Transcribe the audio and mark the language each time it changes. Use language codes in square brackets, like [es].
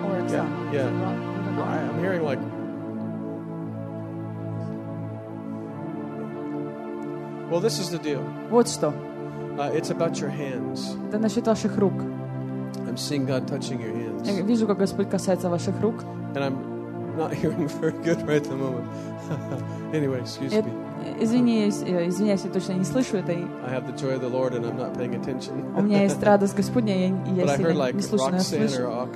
[en] Yeah. I'm hearing like. Well, this is the deal. [ru] Вот что. [en] It's about your hands. [ru] Это насчет ваших рук. [en] I'm seeing God touching your hands. [ru] Я вижу, как Господь касается ваших рук. [en] And I'm not hearing very good right at the moment. Anyway, excuse me. [ru] Извиняюсь, я точно не слышу это. [en] I have the joy of the Lord and I'm not paying attention. [ru] У меня есть радость Господня, я не слышу, но я слышу.